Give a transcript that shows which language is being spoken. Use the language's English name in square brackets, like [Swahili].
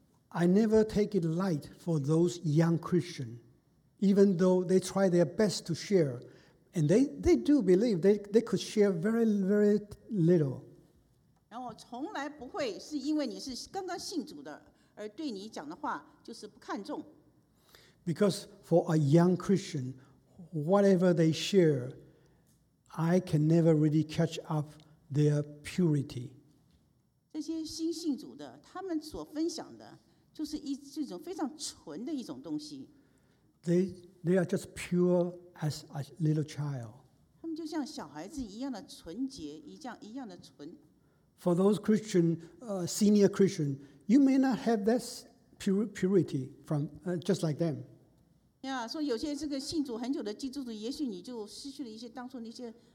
[English] I never take it light for those young Christians, even though they try their best to share, and they do believe they could share very, very little. [Chinese] 然后从来不会是因为你是刚刚信主的而对你讲的话就是不看重。 [English] Because for a young Christian, whatever they share, I can never really catch up their purity. [Chinese] 这些新信主的，他们所分享的就是一种非常纯的一种东西。 [English] They are just pure as a little child. [Chinese] 他们就像小孩子一样的纯洁，一样的纯。 [English] For those Christian, senior Christian, you may not have that purity from just like them. [Chinese] Yeah, so 有些这个信主很久的基督徒，也许你就失去了一些当初那些